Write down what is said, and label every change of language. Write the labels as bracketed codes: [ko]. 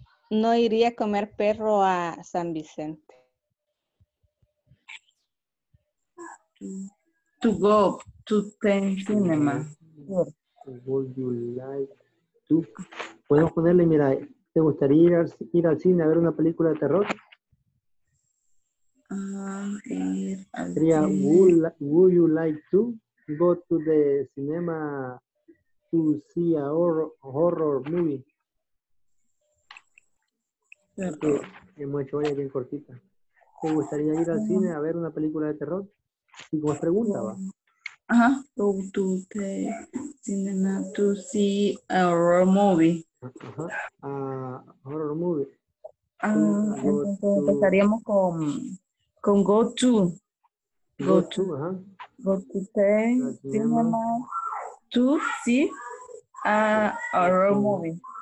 [es] No iría a comer perro a San Vicente. [en] To go to the cinema. Would you like to? [es] Podemos ponerle, mira, ¿te gustaría ir al cine a ver una película de terror? [en] Sería, would you like to go to the cinema to see a horror movie? [es] Hemos hecho varias bien cortita. ¿Te gustaría ir al cine a ver una película de terror? Y como pregunta, va. Ajá. [en] Go to the cinema to see a horror movie. Ajá. Horror movie. [es] Empezaríamos con go to. [en] Go to. Ajá. Go to the cinema to see a horror movie.